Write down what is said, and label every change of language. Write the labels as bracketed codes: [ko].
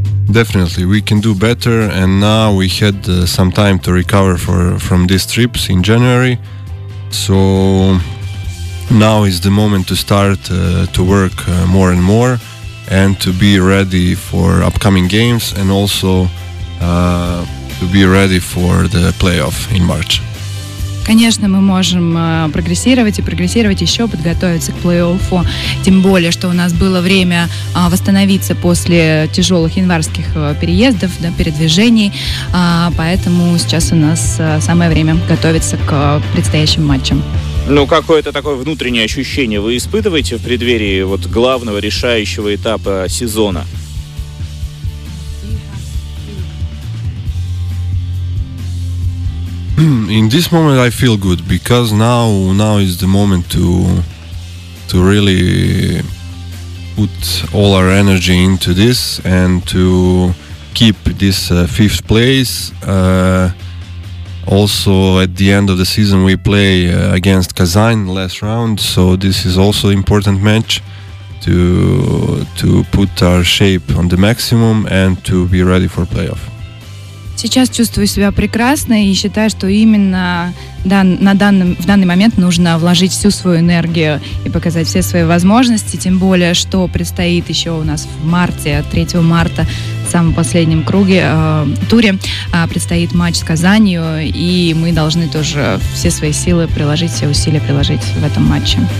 [en] Definitely, we can do better, and now we had some time to recover from these trips in January. So now is the moment to start to work more and more, and to be ready for upcoming games, and also to be ready for the playoff in March. [ru] Конечно, мы можем прогрессировать и прогрессировать еще, подготовиться к плей-оффу. Тем более, что у нас было время восстановиться после тяжелых январских переездов, да, передвижений. Поэтому сейчас у нас самое время готовиться к предстоящим матчам. Ну, какое-то такое внутреннее ощущение вы испытываете в преддверии вот главного решающего этапа сезона? [en] In this moment I feel good because now is the moment to really put all our energy into this and to keep this fifth place. Also at the end of the season we play against Kazan last round, so this is also important match to put our shape on the maximum and to be ready for playoff. [ru] Сейчас чувствую себя прекрасно и считаю, что именно в данный момент нужно вложить всю свою энергию и показать все свои возможности, тем более, что предстоит еще у нас в марте, 3 марта, в самом последнем круге, туре, предстоит матч с Казанью, и мы должны тоже все свои силы приложить, все усилия приложить в этом матче.